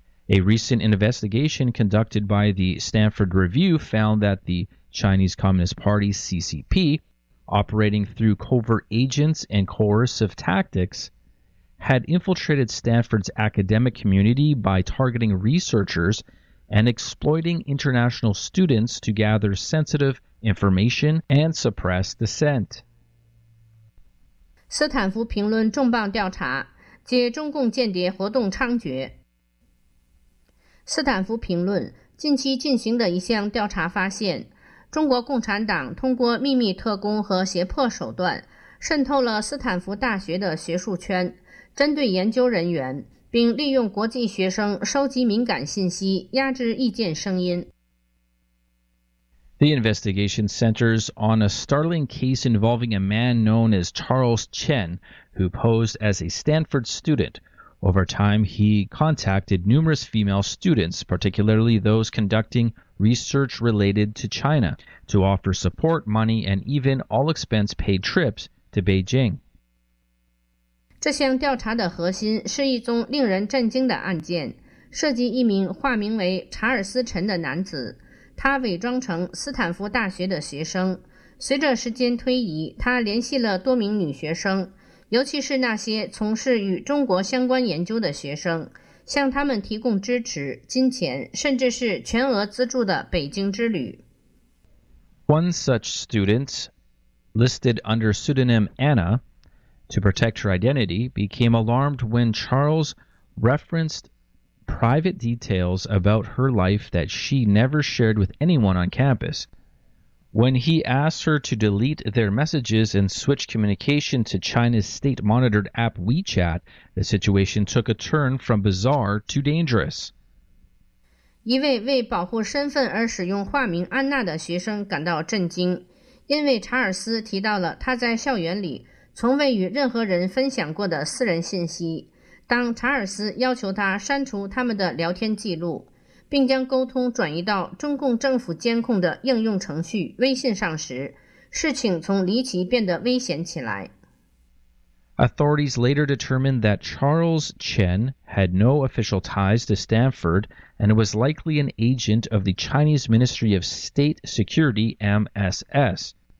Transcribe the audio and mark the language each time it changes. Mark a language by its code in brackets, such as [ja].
[en] A recent investigation conducted by the Stanford Review found that the Chinese Communist Party, CCP, operating through covert agents and coercive tactics, had infiltrated Stanford's academic community by targeting researchers and exploiting international students to gather sensitive information and suppress dissent. [zh] 斯坦福评论重磅调查，解中共间谍活动猖獗。斯坦福评论近期进行的一项调查发现，中国共产党通过秘密特工和胁迫手段渗透了斯坦福大学的学术圈，针对研究人员，并利用国际学生收集敏感信息，压制意见声音。 [en] The investigation centers on a startling case involving a man known as Charles Chen, who posed as a Stanford student. Over time, he contacted numerous female students, particularly those conducting research related to China, to offer support, money, and even all-expense-paid trips to Beijing. [zh] 这项调查的核心是一宗令人震惊的案件，涉及一名化名为查尔斯·陈的男子。他伪装成斯坦福大学的学生，随着时间推移，他联系了多名女学生，尤其是那些从事与中国相关研究的学生，向他们提供支持、金钱，甚至是全额资助的北京之旅。 [en] One such student, listed under pseudonym Anna, to protect her identity, became alarmed when Charles referenced private details about her life that she never shared with anyone on campus. When he asked her to delete their messages and switch communication to China's state-monitored app WeChat, the situation took a turn from bizarre to dangerous. [zh] 一位为保护身份而使用化名安娜的学生感到震惊，因为查尔斯提到了他在校园里从未与任何人分享过的私人信息。当查尔斯要求他删除他们的聊天记录，并将沟通转移到中共政府监控的应用程序微信上时，事情从离奇变得危险起来。 [en] Authorities later determined that Charles Chen had no official ties to Stanford and was likely an agent of the Chinese Ministry of State Security, MSS.